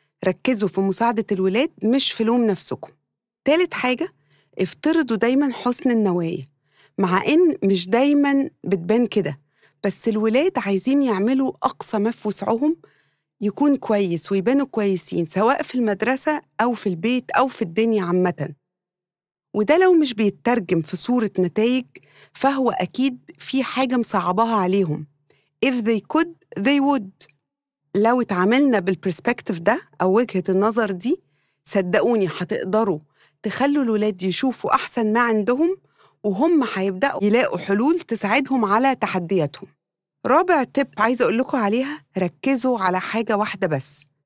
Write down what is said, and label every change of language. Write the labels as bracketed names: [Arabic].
[Arabic] ركزوا في مساعدة الولاد مش في لوم نفسكم. تالت حاجة، افترضوا دايماً حسن النوايا، مع إن مش دايماً بتبان كده، بس الولاد عايزين يعملوا أقصى ما في وسعهم يكون كويس ويبانوا كويسين سواء في المدرسة أو في البيت أو في الدنيا عامة. وده لو مش بيترجم في صورة نتائج فهو أكيد في حاجة مصعبها عليهم. [English] If they could, they would. [Arabic] لو اتعاملنا بالبرسبكتيف ده أو وجهة النظر دي، صدقوني هتقدروا تخلوا الولاد يشوفوا أحسن ما عندهم، وهم هيبدأوا يلاقوا حلول تساعدهم على تحدياتهم. رابع تيب عايزة أقول لكم عليها، ركزوا على حاجة واحدة بس.